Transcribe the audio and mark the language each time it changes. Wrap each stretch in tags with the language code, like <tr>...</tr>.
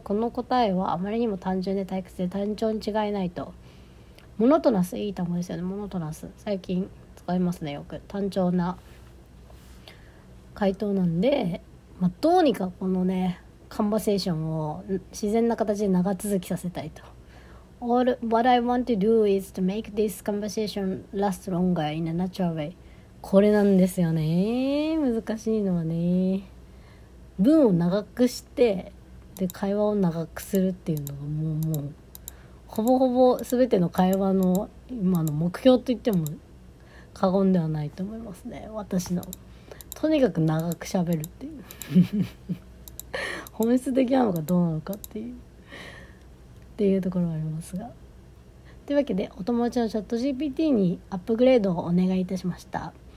<ja>この答えはあまりにも単純で退屈で単調に違いないと。モノトナス、いい単語ですよね。モノトナス。最近使いますね、よく。単調な回答なんで、どうにかこのね、カンバセーションを自然な形で長続きさせたいと。</ja> <en>What I want to do is to make this conversation last longer in a natural way.</en> <ja>これなんですよね。難しいのはね、文を長くして、で、会話を長くするっていうのがもうほぼほぼ全ての会話の今の目標と言っても過言ではないと思いますね。私のとにかく長く喋るっていう本質的なのかどうなのかっていうところはありますが、というわけでお友達のチャット GPT にアップグレードをお願いいたしました。</ja>